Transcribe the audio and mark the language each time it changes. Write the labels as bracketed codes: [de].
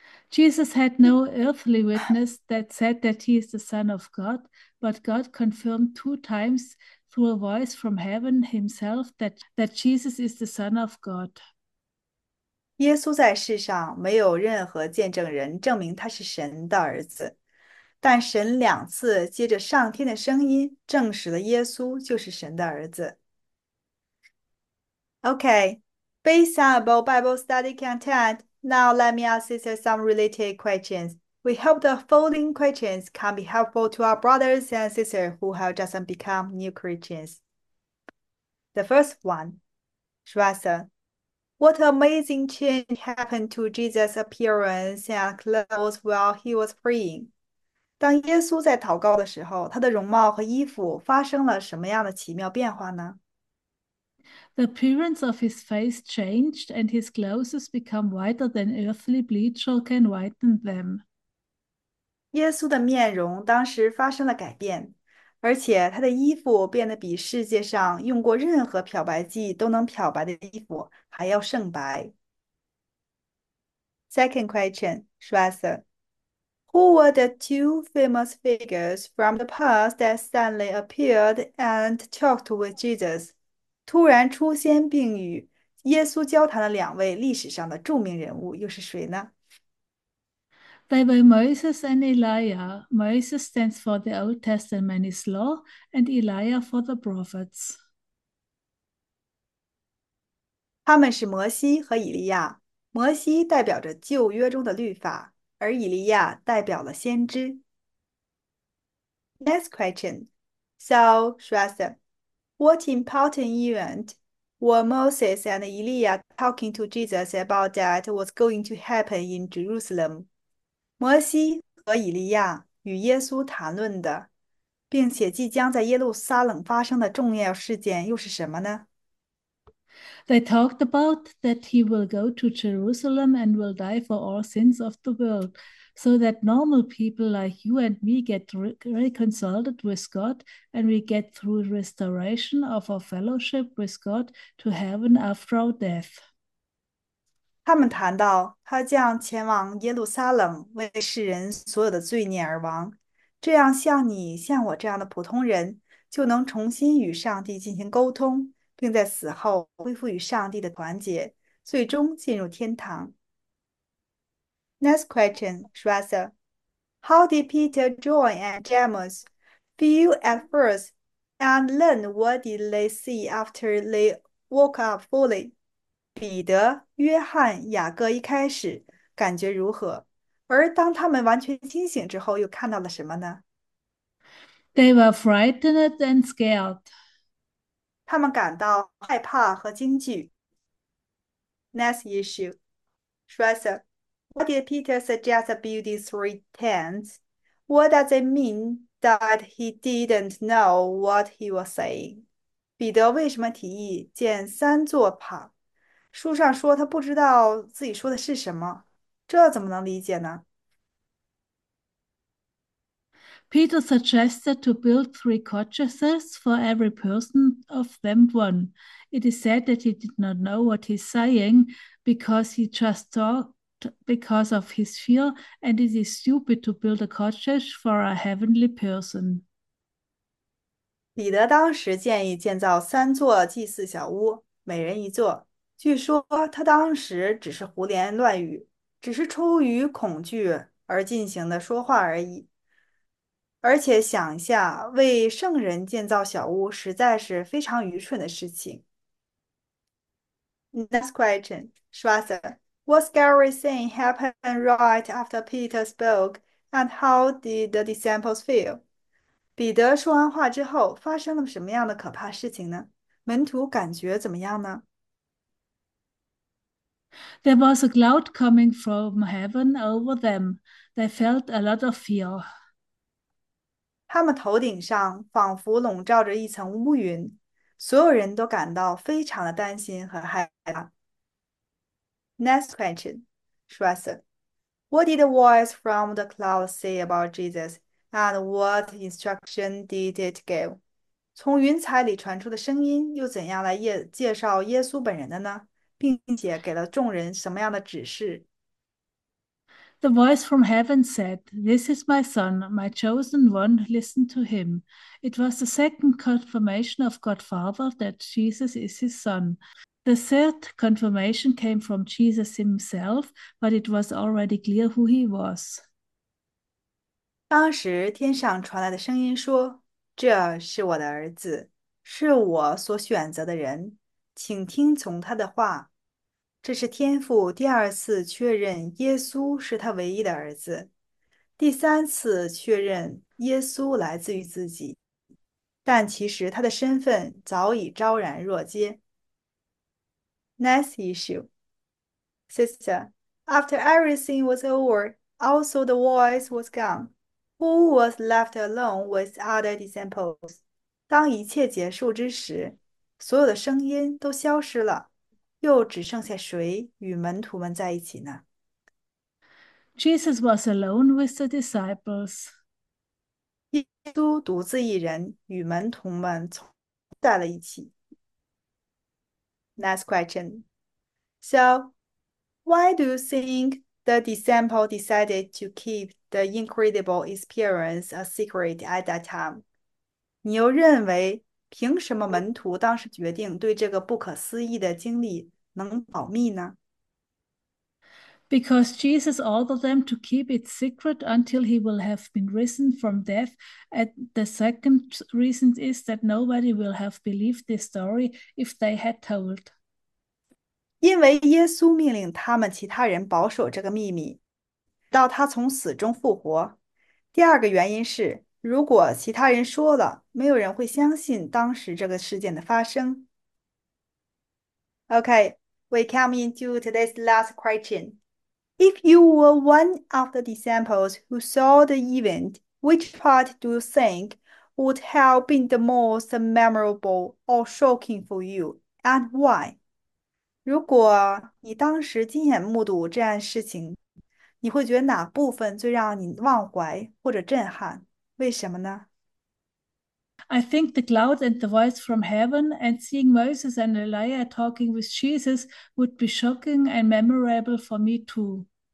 [en] Jesus had no earthly witness that said that he is the Son of God, but God confirmed two times through a voice from heaven himself that Jesus is the Son of God. [zh] ”耶稣在世上没有任何见证人证明他是神的儿子。但神两次接着上天的声音，证实了耶稣就是神的儿子。 [en] Okay, based on above Bible study content, now let me ask you some related questions. We hope the following questions can be helpful to our brothers and sisters who have just become new Christians. The first one, Shrasa, what amazing change happened to Jesus' appearance and clothes while he was praying? [zh] 当耶稣在祷告的时候，他的容貌和衣服发生了什么样的奇妙变化呢？ [en] The appearance of his face changed and his clothes become whiter than earthly bleacher can whiten them. [zh] 耶稣的面容当时发生了改变，而且他的衣服变得比世界上用过任何漂白剂都能漂白的衣服还要圣白。 [en] Second question, Schweitzer. Who were the two famous figures from the past that suddenly appeared and talked with Jesus? [zh] 突然出现并与耶稣交谈的两位历史上的著名人物又是谁呢？ [en] They were Moses and Elijah. Moses stands for the Old Testament's law, and Elijah for the prophets. [zh] 他们是摩西和以利亚。摩西代表着旧约中的律法。而以利亚代表了先知。 [en] Next question. So, Shrestha, what important event were Moses and Elijah talking to Jesus about that was going to happen in Jerusalem? [zh] 摩西和以利亚与耶稣谈论的，并且即将在耶路撒冷发生的重要事件又是什么呢？ [en] They talked about that he will go to Jerusalem and will die for all sins of the world, so that normal people like you and me get reconciled with God and we get through restoration of our fellowship with God to heaven after our death. [zh] 他们谈到，他将前往耶路撒冷，为世人所有的罪孽而亡，这样像你、像我这样的普通人，就能重新与上帝进行沟通，并在死后恢复与上帝的团结，最终进入天堂。 [en] Next question, Shrestha. How did Peter, John, and James feel at first and learn what did they see after they woke up fully? [zh] 彼得、约翰、雅各一开始感觉如何？而当他们完全清醒之后，又看到了什么呢？ [en] They were frightened and scared. [zh] 他们感到害怕和惊惧。 [en] Next issue, Shrestha, what did Peter suggest build these three tents? What does it mean that he didn't know what he was saying? [zh] 彼得为什么提议建三座塔？书上说他不知道自己说的是什么，这怎么能理解呢？ [en] Peter suggested to build three cottages for every person of them one. It is said that he did not know what he's saying because he just talked because of his fear, and it is stupid to build a cottage for a heavenly person. [zh] 彼得当时建议建造三座祭祀小屋，每人一座。据说他当时只是胡言乱语，只是出于恐惧而进行的说话而已。而且想一下，为圣人建造小屋实在是非常愚蠢的事情。 [en] Next question, Schwarzer, what scary thing happened right after Peter spoke, and how did the disciples feel? [zh] 彼得说完话之后，发生了什么样的可怕事情呢？门徒感觉怎么样呢？ [en] There was a cloud coming from heaven over them. They felt a lot of fear. [zh] 他们头顶上仿佛笼罩着一层乌云，所有人都感到非常的担心和害怕。 [en] Next question, Schwester, what did the voice from the cloud say about Jesus, and what instruction did it give? [zh] 从云彩里传出的声音又怎样来介绍耶稣本人的呢？并且给了众人什么样的指示？ [en] The voice from heaven said, "This is my son, my chosen one, listen to him." It was the second confirmation of God Father that Jesus is his son. The third confirmation came from Jesus himself, but it was already clear who he was. [zh] 当时天上传来的声音说：“这是我的儿子，是我所选择的人，请听从他的话。 ”这是天父第二次确认耶稣是他唯一的儿子，第三次确认耶稣来自于自己，但其实他的身份早已昭然若揭。 [en] Next issue, sister. After everything was over, also the voice was gone. Who was left alone with other disciples? [zh] 当一切结束之时，所有的声音都消失了，又只剩下谁与门徒们在一起呢？ [en] Jesus was alone with the disciples. [zh] 耶稣独自一人与门徒们同在了一起。 [en] Next question. So, why do you think the disciple decided to keep the incredible experience a secret at that time. [zh] 你又认为凭什么门徒当时决定对这个不可思议的经历能保密呢？ [en] Because Jesus ordered them to keep it secret until he will have been risen from death. And the second reason is that nobody will have believed this story if they had told. [zh] 因为耶稣命令他们其他人保守这个秘密。到他从死中复活。第二个原因是，如果其他人说了，没有人会相信当时这个事件的发生。 [en] OK, we come into today's last question. If you were one of the disciples who saw the event, which part do you think would have been the most memorable or shocking for you, and why? [zh] 如果你当时亲眼目睹这件事情，你会觉得哪部分最让你忘怀或者震撼？为什么呢？ [en] I think the cloud and the voice from heaven and seeing Moses and Elijah talking with Jesus would be shocking and memorable for me too.